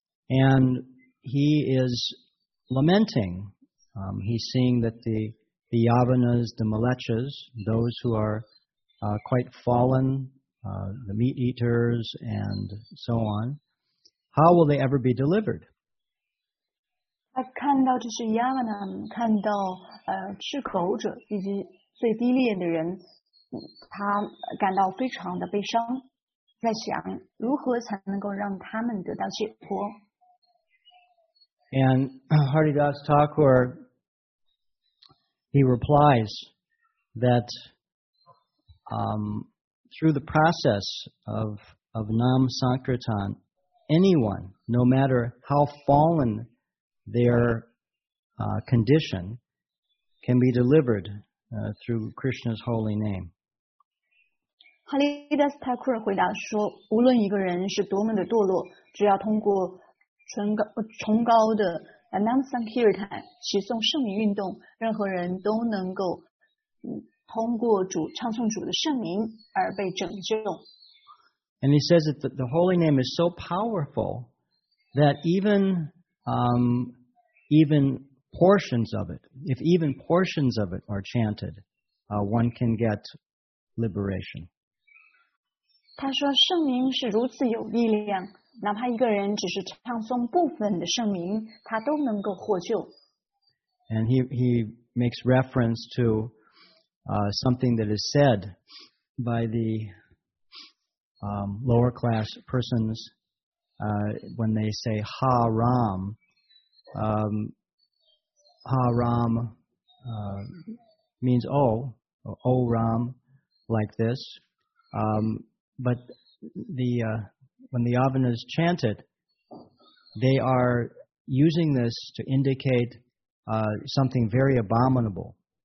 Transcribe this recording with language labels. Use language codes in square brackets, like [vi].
[en] AndHe is lamenting. He's seeing that the yavanas, the malechas, those who are quite fallen, the meat eaters and so on, how will they ever be delivered? [zh] 他看到这是 yavana, 看到吃口者以及最低劣的人，他感到非常的悲伤，在想如何才能够让他们得到解脱。 [en] And Haridas Thakur, he replies that through the process of Nam Sankirtan, anyone, no matter how fallen their condition, can be delivered through Krishna's holy name. [zh] Haridas Thakur 回答说，无论一个人是多么的堕落，只要通过崇高的 Nam Sankirtan 起诵圣名运动任何人都能够通过主唱诵主的圣名而被拯救 [en] And he says that the holy name is so powerful that even portions of it if even portions of it are chanted one can get liberation [zh] 他说圣名是如此有力量哪怕一个人只是唱诵部分的圣名，他都能够获救。 [en] And he makes reference to something that is said by the lower class persons when they say Ha Ram, Ha Ram means O Ram like this, but the When the Yavana is chanted, they are using this to indicate something very abominable.